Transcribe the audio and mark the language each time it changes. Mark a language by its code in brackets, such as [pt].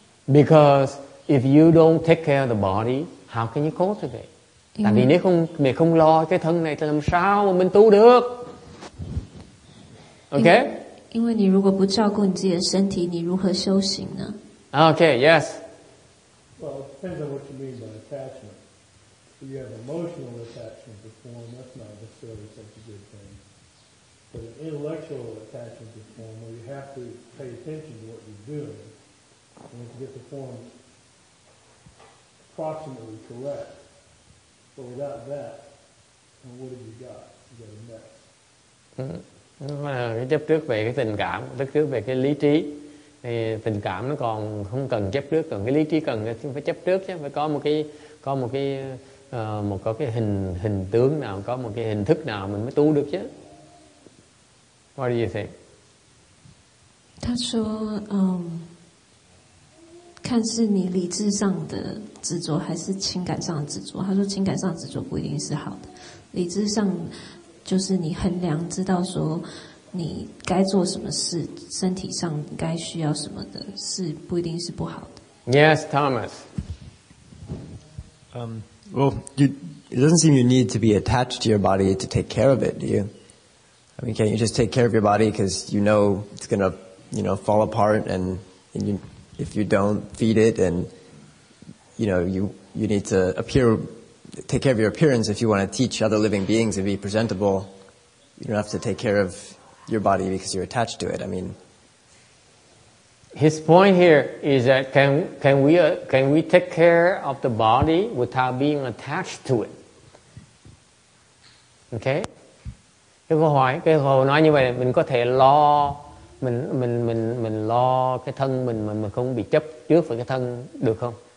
[en] Because if you don't take care of the body, how can you cultivate? [vi] Tại vì nếu không mình không lo cái thân này thì làm sao mà mình tu được? [en] Okay? [zh] 因为你如果不照顾你自己的身体，你如何修行呢？ [en] Okay, yes. Well, it depends on what you mean by attachment. If you have emotional attachment to form, that's not necessarily such a good thing. But an intellectual attachment to form, where you have to pay attention to what you're doing, and if you get the form approximately correct, but without that, then what have you got? You got a mess. [vi] Cái chấp trước về cái tình cảm, chấp trước về cái lý trí. Thì tình cảm nó còn không cần chấp trước, còn cái lý trí cần phải chấp trước chứ, phải có một cái hình tướng nào, có một cái hình thức nào mình mới tu được chứ. [en] What do you think? [zh] 他说, 看是你理智上的执着还是情感上的执着, 他说情感上的执着不一定是好的, 理智上就是你衡量知道说, 你该做什么事，身体上该需要什么的，是不一定是不好的。Yes, [en] Thomas. It doesn't seem you need to be attached to your body to take care of it, do you? I mean, can't you just take care of your body because you know it's gonna, you know, fall apart, and you, if you don't feed it, and you know you need to take care of your appearance if you want to teach other living beings and be presentable. You don't have to take care of your body because you're attached to it. I mean, his point here is that can we take care of the body without being attached to it? Okay. [vi] Cái câu hỏi nói như vậy, mình có thể lo mình lo cái thân mình mà mình không bị chấp trước vào cái thân được không?